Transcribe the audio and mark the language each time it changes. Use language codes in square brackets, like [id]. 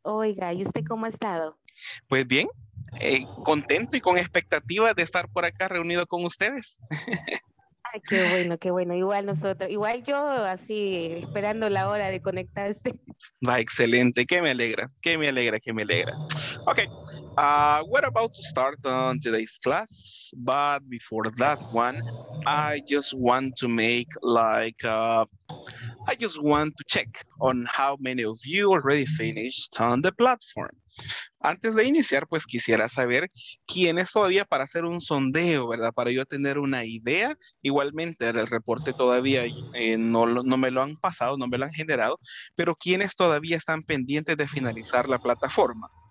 [es] Oiga, ¿y usted cómo ha estado? Pues bien, contento y con expectativa de estar por acá reunido con ustedes. Ay, qué bueno, qué bueno. Igual nosotros, igual yo así, esperando la hora de conectarse. Va, excelente, qué me alegra, qué me alegra, qué me alegra. [en] Ok, we're about to start on today's class, but before that one, I just want to make like, I just want to check on how many of you already finished on the platform. [es] Antes de iniciar, pues quisiera saber quiénes todavía, para hacer un sondeo, ¿verdad? Para yo tener una idea. Igualmente, el reporte todavía no me lo han pasado, no me lo han generado, pero quiénes todavía están pendientes de finalizar la plataforma.